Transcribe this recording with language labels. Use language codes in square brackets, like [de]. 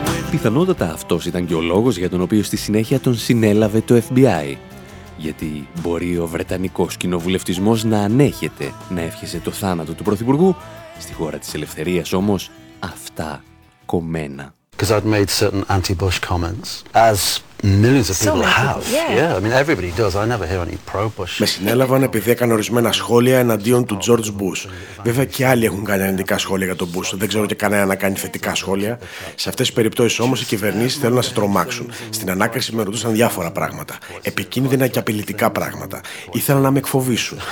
[el] Πιθανότατα αυτός ήταν και ο λόγος για τον οποίο στη συνέχεια τον συνέλαβε το FBI. Γιατί μπορεί ο Βρετανικός κοινοβουλευτισμός να ανέχεται να εύχεσε το θάνατο του Πρωθυπουργού, στη χώρα της ελευθερίας όμως αυτά κομμένα. [en] Because I'd made certain anti-Bush comments, as millions of people have. Yeah, I mean everybody does. I never hear any pro-Bush. [el] Με συνέλαβαν επειδή έκανε ορισμένα σχόλια εναντίον του George Bush. Βέβαια και άλλοι έχουν κάνει αρνητικά σχόλια για τον Bush. Δεν ξέρω και κανένα να κάνει θετικά σχόλια. Σε αυτές τις περιπτώσεις όμως οι κυβερνήσεις θέλουν να σε τρομάξουν. Στην ανάκριση με ρωτούσαν διάφορα πράγματα. Επικίνδυνα και απειλητικά πράγματα. Ήθελαν να με εκφοβήσουν.